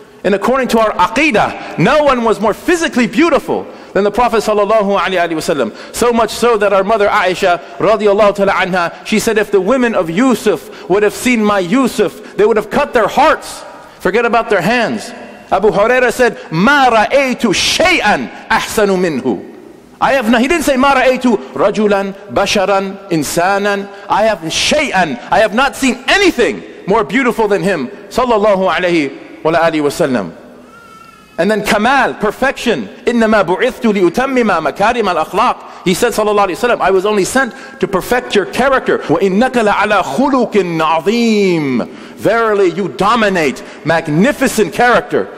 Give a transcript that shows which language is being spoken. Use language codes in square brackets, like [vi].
[en] And according to our aqidah, no one was more physically beautiful than the Prophet sallallahu alayhi wa sallam. So much so that our mother Aisha radiallahu ta'ala anha, she said, if the women of Yusuf would have seen my Yusuf, they would have cut their hearts. Forget about their hands. Abu Huraira said, [ar] مَا رَأَيْتُ شَيْئًا أَحْسَنُ مِنْهُ. [en] He didn't say, [ar] مَا رَأَيْتُ رَجُلًا بَشَرًا إِنسَانًا. [en] I have شَيْئًا. I have not seen anything more beautiful than him. Sallallahu alayhi wa alayhi wa sallam. And then kamal, perfection. [ar] إِنَّمَا بُعِثْتُ لِيُتَمِّمَا مَكَارِمَ الْأَخْلَاقِ. [en] He said, sallallahu alayhi wa sallam, I was only sent to perfect your character. [ar] وَإِنَّكَ لَعَلَىٰ خُلُوكٍ عَظِيمٍ. [en] Verily, you dominate magnificent character.